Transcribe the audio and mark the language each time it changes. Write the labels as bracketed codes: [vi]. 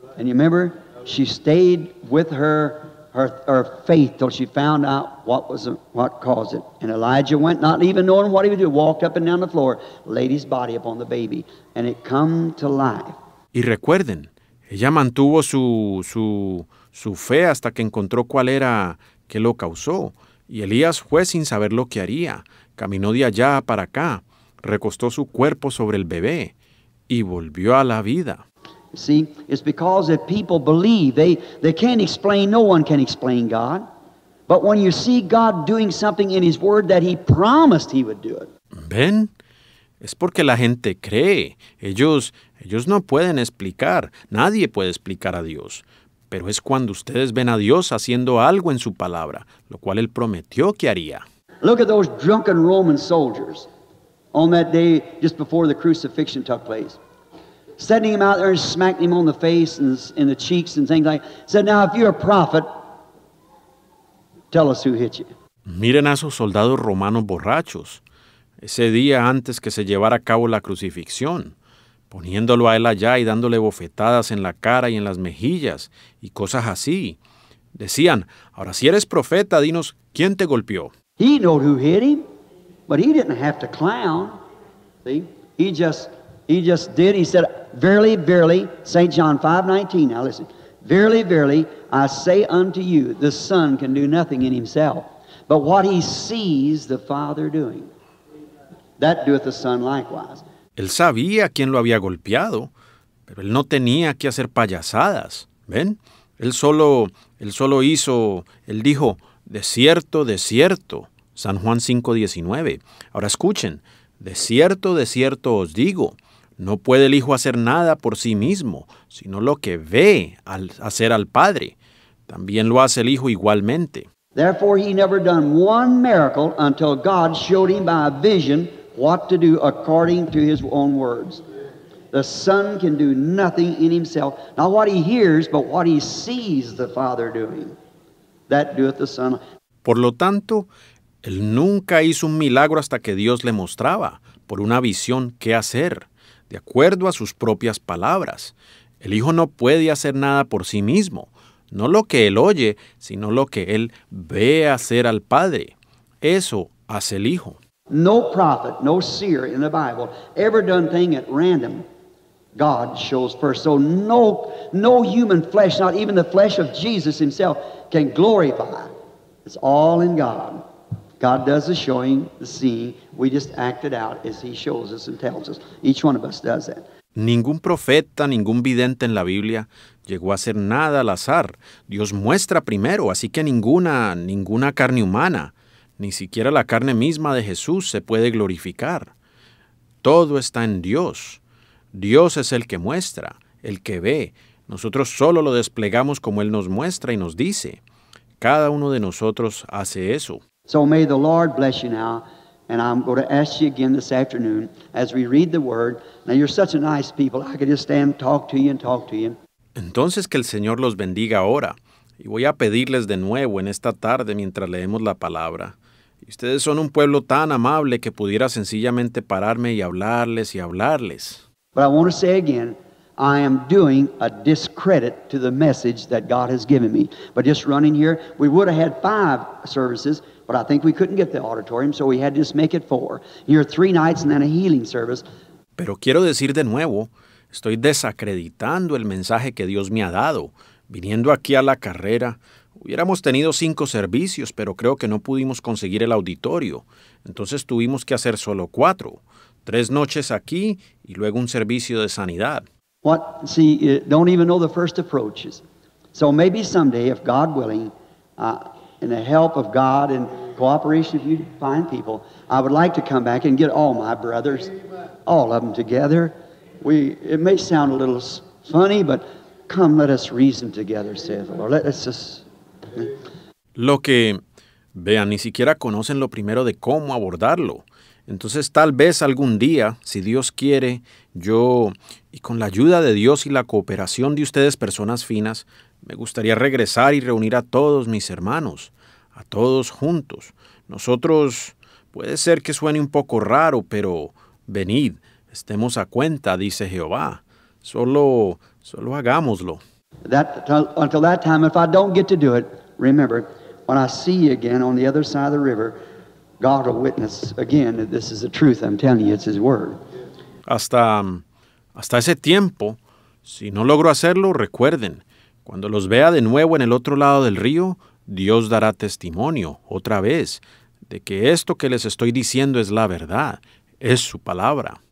[en] And you remember, she stayed with her faith till she found out what caused it. And Elijah went, not even knowing what he would do, walked up and down the floor, laid his body upon the baby, and it come to life. [es] Y recuerden, ella mantuvo su fe hasta que encontró cuál era que lo causó. Y Elías fue sin saber lo que haría. Caminó de allá para acá. Recostó su cuerpo sobre el bebé y volvió a la vida. [en] See, it's because if people believe, they can't explain, no one can explain God. But when you see God doing something in His Word that He promised He would do it. [es] ¿Ven? Es porque la gente cree. Ellos no pueden explicar. Nadie puede explicar a Dios. Pero es cuando ustedes ven a Dios haciendo algo en su palabra, lo cual Él prometió que haría. [en] Look at those drunken Roman soldiers on that day just before the crucifixion took place. Sending him out there and smacking him on the face and in the cheeks and things like that. Said, now if you're a prophet, tell us who hit you. [es] Miren a esos soldados romanos borrachos. Ese día antes que se llevara a cabo la crucifixión, poniéndolo a él allá y dándole bofetadas en la cara y en las mejillas y cosas así. Decían, ahora si eres profeta, dinos, ¿quién te golpeó? [en] He knew who hit him, but he didn't have to clown. See, he just did. He said, verily, verily, St. John 5:19. Now listen, verily, verily, I say unto you, the Son can do nothing in himself, but what he sees the Father doing. That doeth the Son likewise. [es] Él sabía quién lo había golpeado, pero él no tenía que hacer payasadas. ¿Ven? Él solo hizo, él dijo, de cierto, San Juan 5:19. Ahora escuchen, de cierto os digo, no puede el Hijo hacer nada por sí mismo, sino lo que ve al hacer al Padre. También lo hace el Hijo igualmente. [en] Therefore he never done one miracle until God showed him by a vision what to do according to his own words. The Son can do nothing in himself, not what he hears, but what he sees the Father doing. That doeth the Son. [es] Por lo tanto, él nunca hizo un milagro hasta que Dios le mostraba, por una visión, qué hacer, de acuerdo a sus propias palabras. El Hijo no puede hacer nada por sí mismo, no lo que él oye, sino lo que él ve hacer al Padre. Eso hace el Hijo. [en] No prophet, no seer in the Bible ever done thing at random, God shows first. So no human flesh, not even the flesh of Jesus himself, can glorify. It's all in God. God does the showing, the seeing. We just act it out as he shows us and tells us. Each one of us does that. [es] Ningún profeta, ningún vidente en la Biblia llegó a hacer nada al azar. Dios muestra primero, así que ninguna carne humana, ni siquiera la carne misma de Jesús se puede glorificar. Todo está en Dios. Dios es el que muestra, el que ve. Nosotros solo lo desplegamos como Él nos muestra y nos dice. Cada uno de nosotros hace eso. [en] So may the Lord bless you now. And I'm going to ask you again this afternoon as we read the word. Now you're such a nice people. I could just stand and talk to you and talk to you. [es] Entonces que el Señor los bendiga ahora. Y voy a pedirles de nuevo en esta tarde mientras leemos la palabra. Y ustedes son un pueblo tan amable que pudiera sencillamente pararme y hablarles y hablarles. [en] But I want to say again, I am doing a discredit to the message that God has given me. But just running here, we would have had 5 services, but I think we couldn't get the auditorium, so we had to just make it 4. Here 3 nights and then a healing service. [es] Pero quiero decir de nuevo, estoy desacreditando el mensaje que Dios me ha dado. Viniendo aquí a la carrera, hubiéramos tenido 5 servicios, pero creo que no pudimos conseguir el auditorio. Entonces tuvimos que hacer solo 4. 3 noches aquí y luego un servicio de sanidad. [en] What? See, don't even know the first approaches. So maybe someday, if God willing, in the help of God and cooperation of you fine people, I would like to come back and get all my brothers, all of them together. It may sound a little funny, but come, let us reason together, saith the Lord. Let us just... [es] Lo que, vean, ni siquiera conocen lo primero de cómo abordarlo. Entonces, tal vez algún día, si Dios quiere, yo, y con la ayuda de Dios y la cooperación de ustedes, personas finas, me gustaría regresar y reunir a todos mis hermanos, a todos juntos. Nosotros, puede ser que suene un poco raro, pero venid, estemos a cuenta, dice Jehová. Solo hagámoslo. [en] Until that time, if I don't get to do it, remember, when I see you again on the other side of the river, God will witness again that this is the truth. I'm telling you, it's His word. [es] Hasta ese tiempo, si no logro hacerlo, recuerden, cuando los vea de nuevo en el otro lado del río, Dios dará testimonio otra vez de que esto que les estoy diciendo es la verdad, es su palabra.